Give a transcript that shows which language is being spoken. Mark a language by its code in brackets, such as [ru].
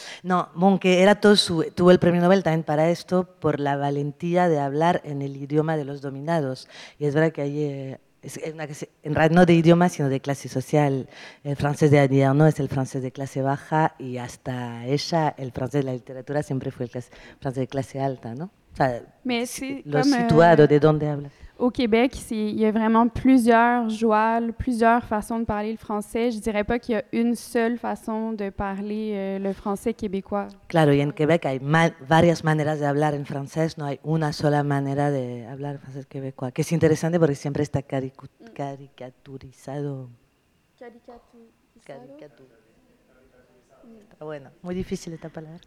[es] No, Monque era todo tuvo el premio Nobel también para esto, por la valentía de hablar en el idioma de los dominados. Y es verdad que ahí... en realidad no de idioma, sino de clase social. El francés de Annie Ernaux es el francés de clase baja y hasta ella, el francés de la literatura, siempre fue el francés de clase alta, ¿no? O sea, mais lo situado, de dónde habla. [fr] Au Québec, il y a vraiment plusieurs joies, plusieurs façons de parler le français. Je ne dirais pas qu'il y a une seule façon de parler le français québécois. [es] Claro, y en Québec hay varias maneras de hablar en francés. No hay una sola manera de hablar francés québécois. Que es interesante porque siempre está caricaturizado. Caricaturizado. Bueno, muy difícil esta palabra.